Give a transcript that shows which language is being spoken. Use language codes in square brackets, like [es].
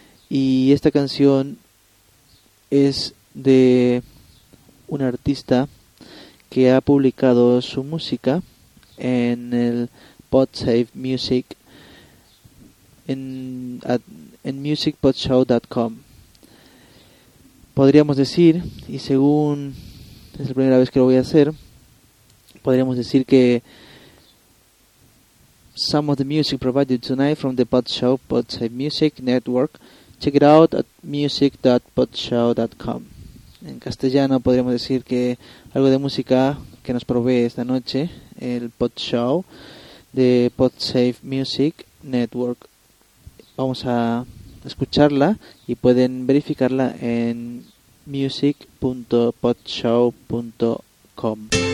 [es] Y esta canción es de un artista que ha publicado su música en el Podsafe Music, en musicpodshow.com. Podríamos decir, y según es la primera vez que lo voy a hacer, podríamos decir que [en] some of the music provided tonight from the Podshow Podshow Music Network. Check it out at music.podshow.com. [es] En castellano podríamos decir que algo de música que nos provee esta noche el Podshow de Podshow Music Network. Vamos a escucharla y pueden verificarla en music.podshow.com.